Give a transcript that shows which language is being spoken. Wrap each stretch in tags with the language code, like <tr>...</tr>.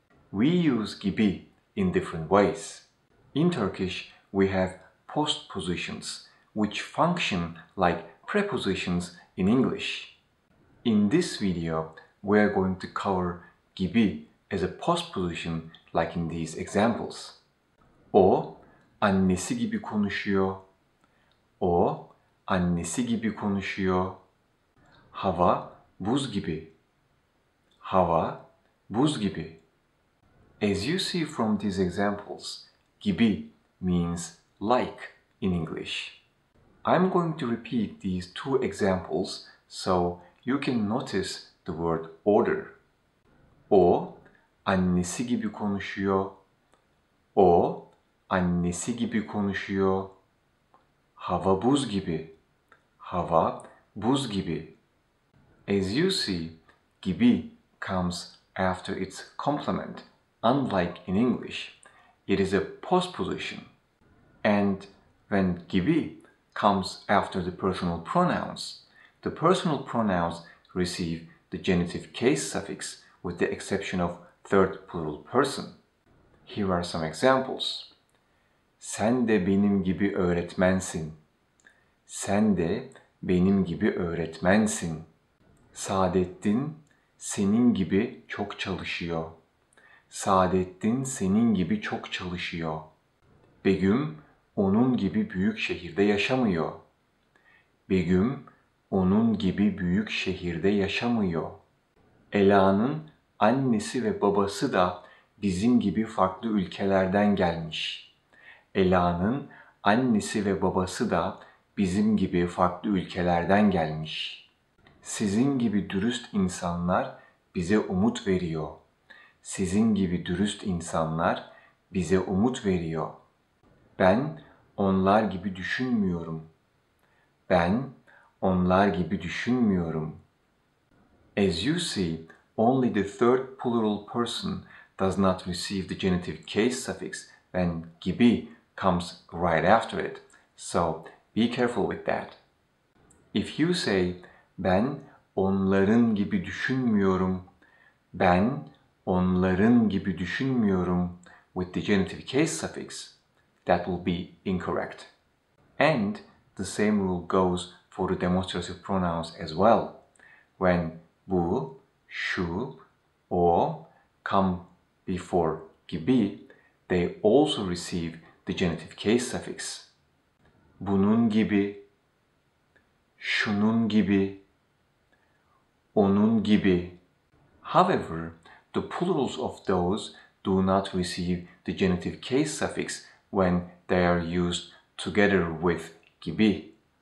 <en>We use gibi in different ways. In Turkish, we have postpositions, which function like prepositions in English. In this video, we are going to cover gibi as a postposition, like in these examples.</en> <tr>O, annesi gibi konuşuyor. O, annesi gibi konuşuyor. Hava, buz gibi. Hava, buz gibi.</tr> <en>As you see from these examples, gibi means like in English. I'm going to repeat these two examples so you can notice the word order.</en> <tr>O, annesi gibi konuşuyor. O, annesi gibi konuşuyor. Hava buz gibi. Hava buz gibi.</tr> <en>As you see, gibi comes after its complement, unlike in English. It is a postposition. And when gibi comes after the personal pronouns, the personal pronouns receive the genitive case suffix with the exception of third plural person. Here are some examples.</en> <tr>Sen de benim gibi öğretmensin. Sen de benim gibi öğretmensin. Saadettin senin gibi çok çalışıyor. Saadettin senin gibi çok çalışıyor. Begüm onun gibi büyük şehirde yaşamıyor. Begüm onun gibi büyük şehirde yaşamıyor. Ela'nın annesi ve babası da bizim gibi farklı ülkelerden gelmiş. Ela'nın annesi ve babası da bizim gibi farklı ülkelerden gelmiş. Sizin gibi dürüst insanlar bize umut veriyor. Sizin gibi dürüst insanlar bize umut veriyor. Ben onlar gibi düşünmüyorum. Ben onlar gibi düşünmüyorum.</tr> <en>As you see, only the third plural person does not receive the genitive case suffix when gibi comes right after it. So, be careful with that. If you say,</en> <tr>ben onların gibi düşünmüyorum,</tr> <en>ben onların gibi düşünmüyorum with the genitive case suffix, that will be incorrect. And the same rule goes for the demonstrative pronouns as well. When bu, şu, o come before gibi, they also receive the genitive case suffix.</en> <tr>Bunun gibi, şunun gibi, onun gibi.</tr> <en>However, the plurals of those do not receive the genitive case suffix when they are used together with gibi.</en>